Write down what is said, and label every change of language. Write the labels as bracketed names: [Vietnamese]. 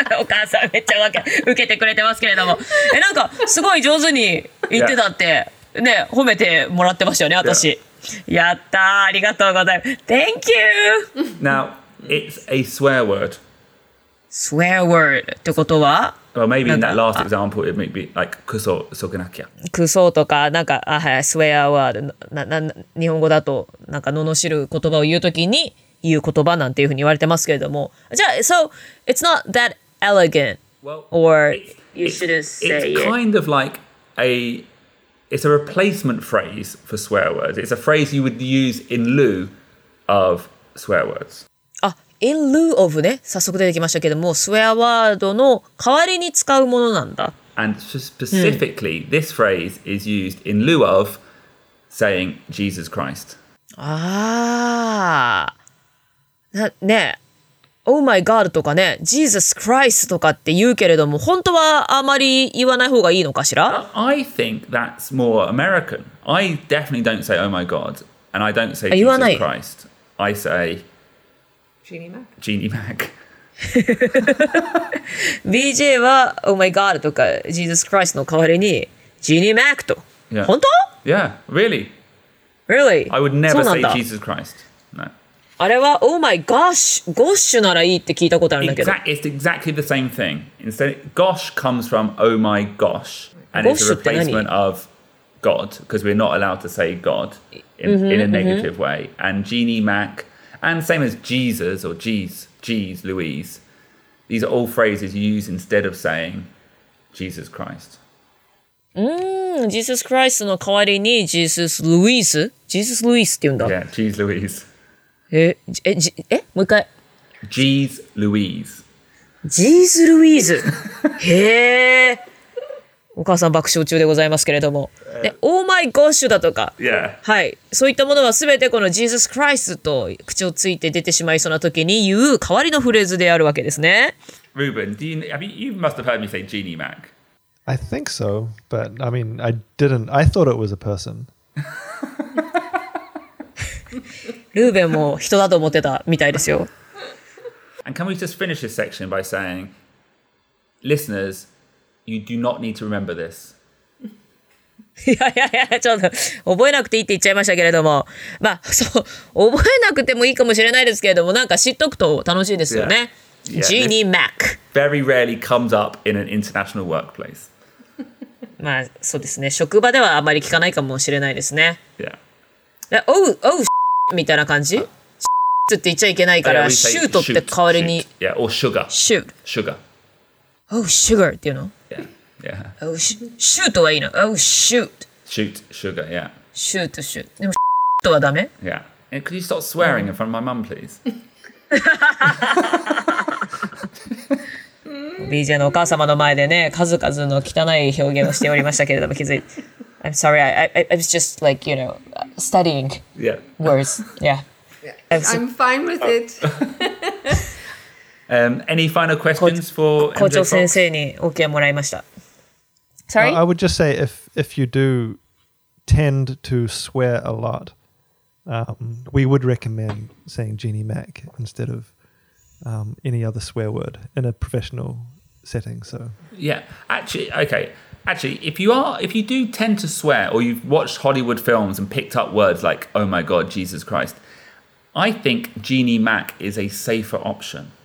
[Japanese] お母さんめっちゃ受けてくれてますけれども。え、なんかすごい上手に言ってたって、 [English] yeah. [Japanese] ね、褒めてもらってましたよね、私。 [English] Yeah. [Japanese] やったー、ありがとうございます。 [English] Thank you! Now, it's a swear word. [Japanese] Swear word ってことは？ [English] Well, maybe in that last example, it may be like クソ、ソクナキャ。 [Japanese] クソとか、なんか、あ、はい、スウェアワード。日本語だと、なんか、ののしる言葉を言うときに言う言葉なんていうふうに言われてますけれども。じゃあ、 [English] so, it's not that elegant. Well, or you should say it's kind of like it's a replacement phrase for swear words. It's a phrase you would use in lieu of swear words. In lieu of [Japanese] ね、早速出てきましたけども、スウェアワードの代わりに使うものなんだ。 [English] And specifically,、 [Japanese] うん、 [English] this phrase is used in lieu of saying Jesus Christ. [Japanese] ああ。ね、Oh my God とかね、Jesus Christ とかって言うけれども、本当はあまり言わない方がいいのかしら？ [English] I think that's more American. I definitely don't say Oh my God, and I don't say Jesus Christ. I say... Jeannie Mac. Jeannie Mac. [Japanese] BJ は Oh my God とか Jesus Christ の代わりに Jeannie Mac と。 [English] Yeah. [Japanese] 本当？ [English] Yeah, really. Really? I would never say Jesus Christ. No. [Japanese] あれは Oh my gosh, gosh ならいいって聞いたことあるんだけど。 [English] It's exactly the same thing. Instead, gosh comes from Oh my gosh. And gosh it's a replacement of God, because we're not allowed to say God in a negative way. And Jeannie Mac... And same as Jesus or Jeez, Louise. These are all phrases you use instead of saying Jesus Christ. [Japanese] Jesus Christ の代わりに Jesus Louise? Jesus Louise って言うんだ。 [English] Yeah, Jeez Louise. [Japanese] え、もう一回。 [English] Jeez Louise. Jeez Louise? [Japanese] へぇお母さん爆笑中でございますけれども。で、Oh my gosh だとか。 [English] Yeah. [Japanese] はい。そういったものはすべてこの Jesus Christ と口をついて出てしまいそうな時に言う代わりのフレーズであるわけですね。 [English] Ruben, do you, I mean, you must have heard me say Jeannie Mac. I think so, but I mean, I didn't. I thought it was a person. [Japanese] Ruben も人だと思ってたみたいですよ。 [English] And can we just finish this section by saying, listeners,You do not need to remember this. [Japanese] いやちょっと覚えなくていいって言っちゃいましたけれども、まあそう覚えなくてもいいかもしれないですけれども、なんか知っとくと楽しいですよね。 [English] Jeannie Mac. Very rarely comes up in an international workplace. [Japanese] まあそうですね。職場ではあまり聞かないかもしれないですね。 [English] Yeah. [Japanese] Oh, みたいな感じ。って言っちゃいけないから、shoot って代わりに。 [English] Yeah. Or sugar. Shoot. Sugar. Oh, sugar, do you know? Yeah, yeah. [Japanese] Shoot はいいの? [English] Oh, shoot. Shoot, sugar, yeah. Shoot. [Japanese] でも、shoot はダメ? [English] Yeah. And could you stop swearing in front of my mum, please? [Japanese] BJ のお母様の前でね、数々の汚い表現をしておりましたけれども、気づいて。 [English] I'm sorry, I was just like, you know, studying words. Yeah. Yeah. I'm fine with it. Any final questions for MJ Fox? [Japanese] 校長先生に OK もらいました。 [English] Sorry? I would just say if you do tend to swear a lot, we would recommend saying Jeannie Mac instead of any other swear word in a professional setting. So. Yeah, actually, if you do tend to swear or you've watched Hollywood films and picked up words like, oh my God, Jesus Christ, I think Jeannie Mac is a safer option.